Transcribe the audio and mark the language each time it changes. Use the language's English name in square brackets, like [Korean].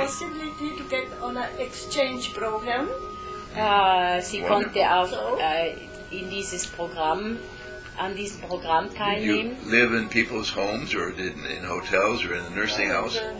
[English] Was the possibility to get on an exchange program? [German] Sie konnte auch in dieses Programm an diesem Programm teilnehmen. [English] Did you live in people's homes or in hotels or in the nursing house?